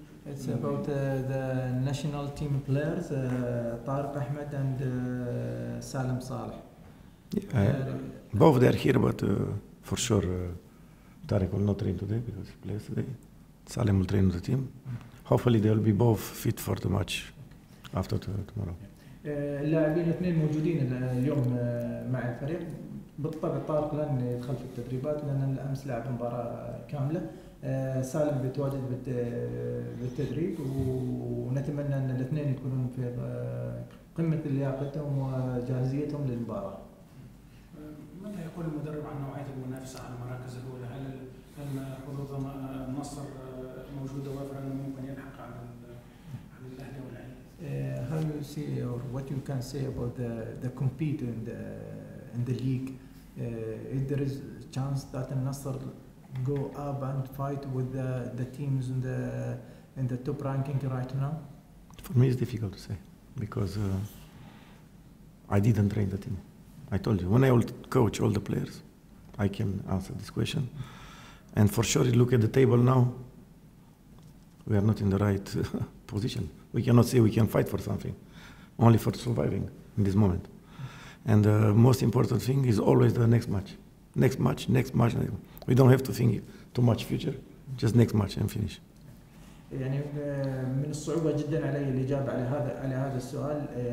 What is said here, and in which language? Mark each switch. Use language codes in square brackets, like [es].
[en] It's about the national team players, Tariq Ahmed and Salem Saleh. Both they are here, but for sure Tariq will not train today because he plays today. Salem will train the team. Hopefully they will be both fit for the match after tomorrow. [ar] اللاعبين اثنين موجودين اليوم مع الفريق. بالطبع طارق لن يدخل في التدريبات لأن الأمس لعب مباراة كاملة. سالم بيتواجد بالتدريب ونتمنى ان الاثنين يكونون في قمه لياقتهم وجاهزيتهم للمباراه. ماذا يقول المدرب عن نوعيه المنافسه على المراكز الاولى؟ هل حظوظ النصر موجوده وافره انه ممكن يلحق على الاهلي والعين؟ [en] How you see or what you can say about the compete in the league? If there is chance that النصر go up and fight with the teams in the top ranking right now? For me it's difficult to say because I didn't train the team. I told you, when I will coach all the players, I can answer this question. And for sure, look at the table now, we are not in the right position. We cannot say we can fight for something, only for surviving in this moment. And the most important thing is always the next match. Next match, next match. We don't have to think too much future. Just next match and finish. [ar] يعني من الصعوبة جدا علي الإجابة على هذا السؤال.